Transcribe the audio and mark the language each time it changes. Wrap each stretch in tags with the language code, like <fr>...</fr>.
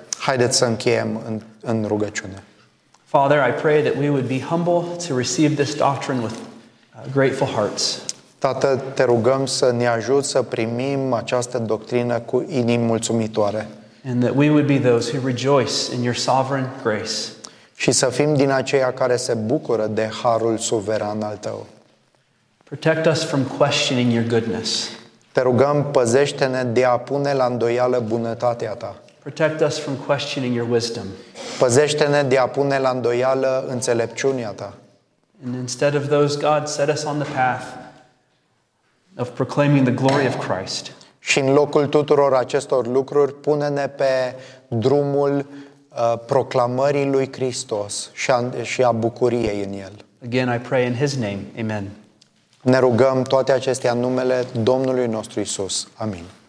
<ro>Haideți să încheiem în rugăciune.</ro> <en>Father, I pray that we would be humble to receive this doctrine with grateful hearts.</en> <ro>Tată, te rugăm să ne ajut să primim această doctrină cu inimi mulțumitoare.</ro> <en>And that we would be those who rejoice in your sovereign grace.</en> <ro>Și să fim din aceia care se bucură de harul suveran al tău.</ro> <en>Protect us from questioning your goodness.</en> <ro>Te rugăm, păzește-ne de a pune la îndoială bunătatea ta.</ro> <en>Protect us from questioning your wisdom.</en> <ro>Păzește-ne de a pune la îndoială înțelepciunea ta.</ro> <en>And instead of those, God, set us on the path of proclaiming the glory of Christ.</en> <ro>Și în locul tuturor acestor lucruri, pune-ne pe drumul proclamării lui Hristos și a bucuriei în el.</ro> <en>Again, I pray in his name. Amen.</en> <ro>Ne rugăm toate acestea în numele Domnului nostru Isus. Amin.</ro>